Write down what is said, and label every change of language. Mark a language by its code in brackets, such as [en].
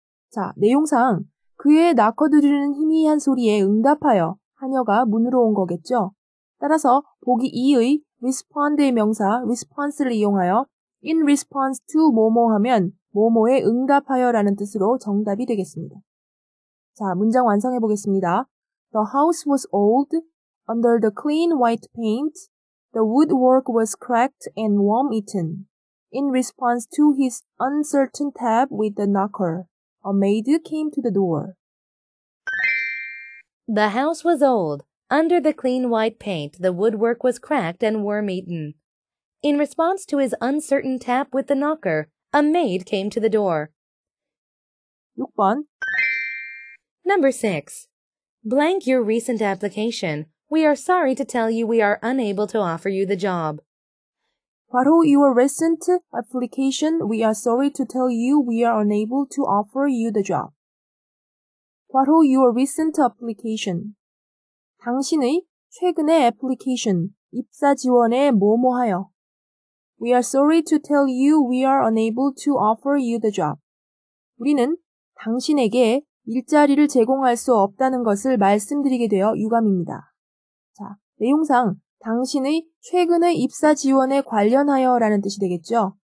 [ko] 자, 내용상 그의 낙커 두드리는 희미한 소리에 응답하여 하녀가 문으로 온 거겠죠. 따라서 보기 2의 respond의 명사 response를 이용하여 [en] in response to [ko] 뭐뭐 하면 뭐뭐에 응답하여라는 뜻으로 정답이 되겠습니다. 자, 문장 완성해 보겠습니다. [en] The house was old, under the clean white paint, the woodwork was cracked and worm-eaten. In response to his uncertain tap with the knocker, a maid came to the door. The house was old. Under the clean white paint, the woodwork was cracked and worm-eaten. In response to his uncertain tap with the knocker, a maid came to the door. [ko] 6번. [en] Number 6. Blank your recent application. We are sorry to tell you we are unable to offer you the job. [ko] 바로 [en] your recent application, we are sorry to tell you we are unable to offer you the job. [ko] 바로 [en] your recent application. [ko] 당신의 최근의 application, 입사 지원에 뭐뭐하여. [en] We are sorry to tell you we are unable to offer you the job. [ko] 우리는 당신에게 일자리를 제공할 수 없다는 것을 말씀드리게 되어 유감입니다. 자, 내용상 당신의 최근의 입사 지원에 관련하여 라는 뜻이 되겠죠.